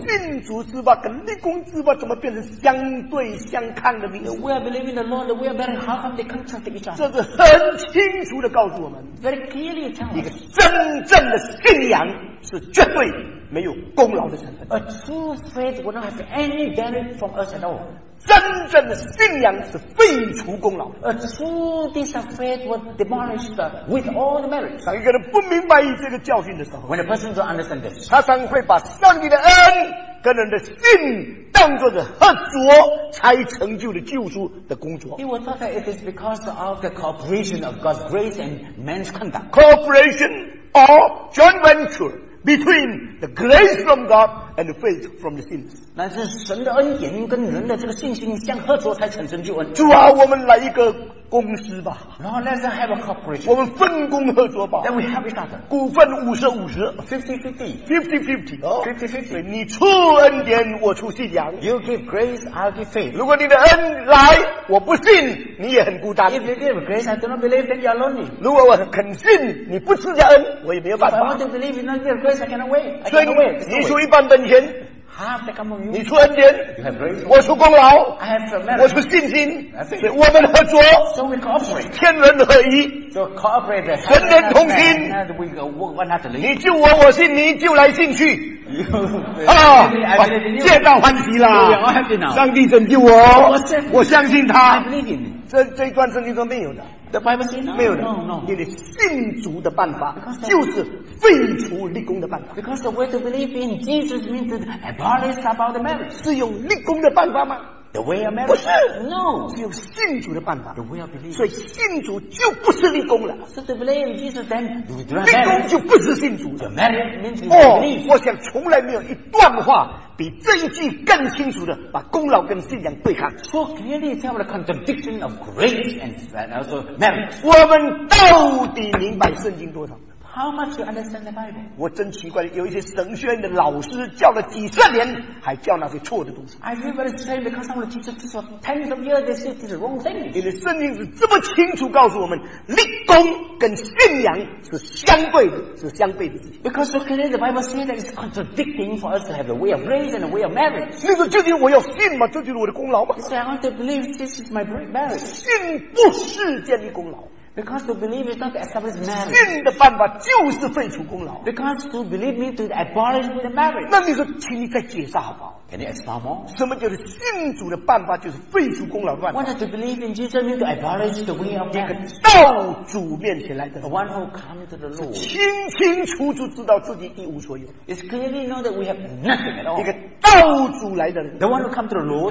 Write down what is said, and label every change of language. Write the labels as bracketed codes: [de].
[zh] 信主之法跟立功之法怎么变成相对相抗的名词？ [en] The way of believing in the Lord, the way of merit, how come they contrast each other? [zh] 这是很清楚的告诉我们。 [en] Very clearly tells us. [zh] 一个真正的信仰是绝对。没有功劳的成分。 [en] A true faith will not have any benefit from us at all. [zh] 真正的信仰是废除功劳。 [en] A true piece of faith will demolish the with all the merits. [zh] 当一个人不明白这个教训的时候 [en] ，When a person don't understand this, [zh] 他常会把上帝的恩跟人的信当作是合作才成就的救赎的工作。 [en] He will thought that it is because of the cooperation of God's grace and man's conduct. Cooperation or joint venture. Between the grace from God and the faith from the sinners. [zh] 乃是神的恩典跟人的这个信心相合作才产生救恩。主啊，我们来一个公司吧。 [en] No, let's have a corporation. [zh] 我们分工合作吧。 [en] Then we have each other. [zh] 股份五十五十。 [en] 50-50. 50-50. [zh] 你出恩典，我出信仰。 [en] You give grace, I'll give faith. [zh] 如果你的恩来，我不信，你也很孤单。 [en] If you give grace, I do not believe, then you are lonely. [zh] 如果我肯信，你不赐下恩，我也没有办法。 [en] If I want to believe, you don't give grace, I cannot wait. I cannot wait. [zh] 你出一半本钱。你出恩典，我出功劳，我出信心，所以我们合作，天人合一，神人同心。你救我，我信你，救来信去。啊，借道欢喜啦！上帝拯救我，我相信他。这一段圣经中没有的。 [en] The Bible says no, [zh] 没有的 [en] no. [zh] 你信主的办法就是废除立功的办法 [en] because the way to believe in Jesus means to abolish about the merit [zh] 是用立功的办法吗 [en] the way of merit [zh] 不是 [en] no [zh] 是用信主的办法 [en] the way of belief [zh] 所以信主就不是立功了 [en] so to believe in Jesus then you do not [zh] 立功就不是信主 [en] the merit means to believe [zh] 我想从来没有一段话比这一句更清楚的把功劳跟信仰对抗。 [en] So clearly tell the contradiction of grace and also merit. [zh] 我们到底明白圣经多少？ [en] How much you understand the Bible? [zh] 我真奇怪，有一些神学院的老师教了几十年，还教那些错的东西。 [en] I feel very strange because some of the teachers teach for tens of years, they still teach the wrong thing. [zh] 因为圣经是这么清楚告诉我们，立功跟信仰是相对的，是相对的事情。 [en] Because so clearly the Bible says that it's contradicting for us to have the way of grace and the way of merit. [zh] 那个究竟我要信吗？这就是我的功劳吗 [en] ？So I want to believe this is my great merit. [zh] 信不是建立功劳。 [en] Because to believe is not to establish merit. [zh] 信的办法就是废除功劳。 [en] Because to believe means to abolish the merit. [zh] 那你说，请你再解释好不好？ [en] Can you explain more? [zh] 什么叫做信主的办法就是废除功劳的办法？ [en] What does to believe in Jesus means to abolish the way of merit? [zh] 一个到主面前来的。 [en] The one who comes to the Lord. [zh] 清清楚楚知道自己一无所有。 [en] It's clearly know that we have nothing at all. [zh] 一个到主来的人。 [en] The one who comes to the Lord.